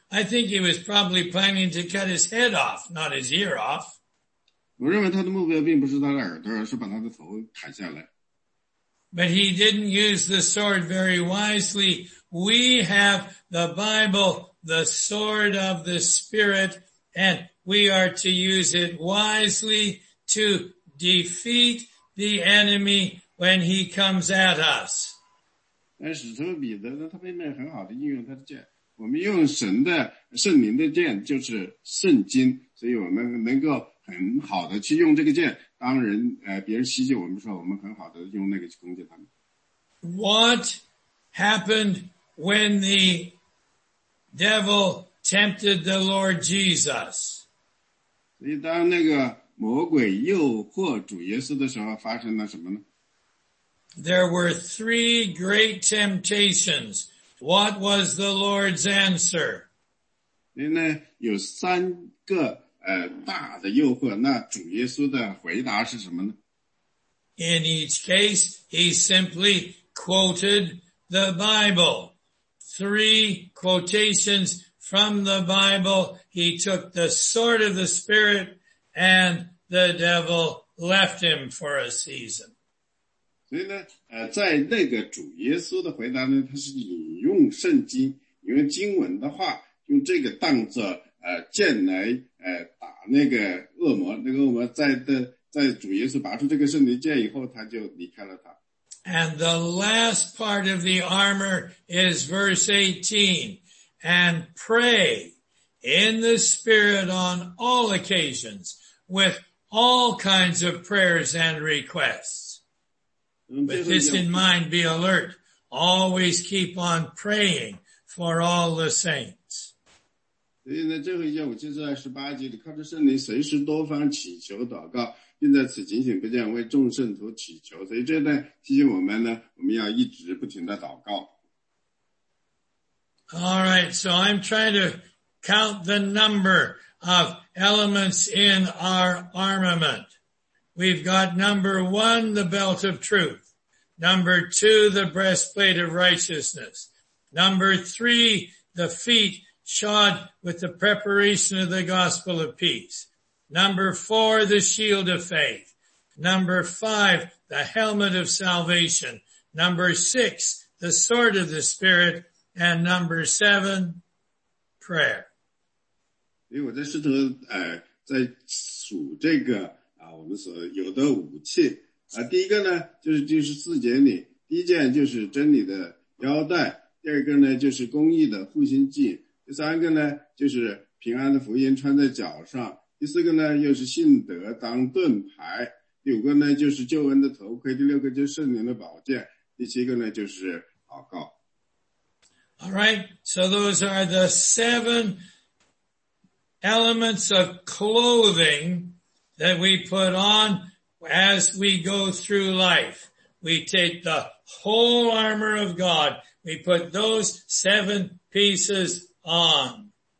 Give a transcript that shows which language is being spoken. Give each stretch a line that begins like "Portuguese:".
English: I think he was probably planning to cut his head off, not his ear off.
Chinese: 我认为他的目标并不是他的耳朵，而是把他的头砍下来。
English: But he didn't use the sword very wisely. We have the Bible, the sword of the Spirit, and we are to use it wisely to defeat the enemy when he comes at us.
Chinese: 但使徒彼得呢，他并没有很好的运用他的剑。我们用神的圣灵的剑，就是圣经，所以我们能够很好的去用这个剑，当人别人袭击我们的时候，我们很好的用那个去攻击他们。
English: What happened when the devil tempted the Lord Jesus?
Chinese: 所以当那个魔鬼诱惑主耶稣的时候，发生了什么呢？
English: There were three great temptations. What was the Lord's answer?
Chinese: 所以呢，有三个大的诱惑，那主耶稣的回答是什么呢？
English: In each case, he simply quoted the Bible. Three quotations from the Bible. He took the sword of the Spirit and the devil left him for a season.
Chinese: 所以呢，在那个主耶稣的回答呢，他是引用圣经，引用经文的话，用这个当作剑来打那个恶魔，那个恶魔在主耶稣拔出这个圣灵剑以后，他就离开了他。
English: And the last part of the armor is verse 18, and pray in the Spirit on all occasions with all kinds of prayers and requests. With this in mind, be alert. Always keep on praying for all the saints.
Chinese: 所以呢，最后一节我就是在十八节里，靠着圣灵随时多方祈求祷告，并在此警醒不间为众圣徒祈求。所以这段提醒我们呢，我们要一直不停的祷告。
English: All right, so I'm trying to count the number of elements in our armament. We've got number one, the belt of truth. Number two, the breastplate of righteousness. Number three, the feet. Shod with the preparation of the gospel of peace. Number four, the shield of faith. Number five, the helmet of salvation. Number six, the sword of the Spirit. And number seven, prayer.
Chinese: 因为我在试图在数这个我们所有的武器。第一个呢就是第十四节里，第一件就是真理的腰带，第二个呢就是公义的护心镜。第三个呢就是平安的福音穿在脚上，第四个呢又是信德当盾牌，第五个呢就是救恩的头盔，第六个就是圣灵的宝剑，第七个呢就是祷告。
English: Alright, so those are the seven elements of clothing that we put on as we go through life. We take the whole armor of God, we put those seven pieces on.